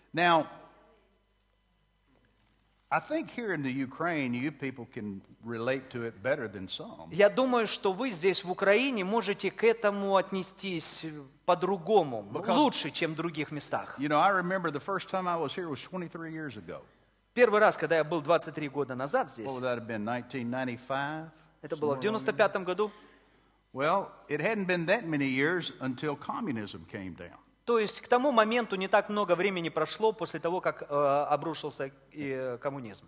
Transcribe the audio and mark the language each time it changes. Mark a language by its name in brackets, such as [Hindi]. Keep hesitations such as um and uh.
[Russian] Теперь, [English] I think here in the Ukraine, you people can relate to it better than some. [Russian] Я думаю, что вы здесь в Украине можете к этому отнестись по-другому, лучше, чем в других местах. [English] You know, I remember the first time I was here was 23 years ago. [Russian] Первый раз, когда я был 23 года назад здесь. [English] Well, that have been 1995. [Russian] Это было в 95 году. [English] Well, it hadn't been that many years until communism came down. [Russian] То есть к тому моменту не так много времени прошло после того, как э, обрушился э, коммунизм.